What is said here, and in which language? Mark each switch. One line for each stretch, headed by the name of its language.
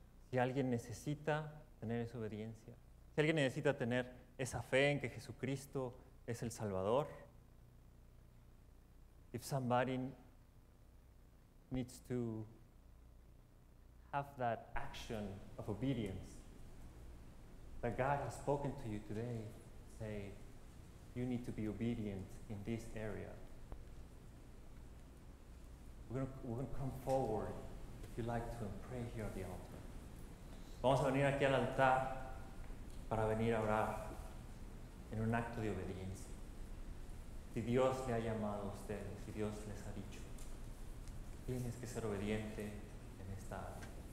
Spanish: Si alguien necesita tener esa obediencia, si alguien necesita tener esa fe en que Jesucristo es el Salvador.
English: If somebody needs to have that action of obedience that God has spoken to you today, say, you need to be obedient in this area. We're going to come forward if you like to pray here at the altar.
Spanish: Vamos a venir aquí al altar para venir a orar en un acto de obediencia. Si Dios le ha llamado a ustedes, si Dios les ha dicho, tienes que ser obediente en esta área.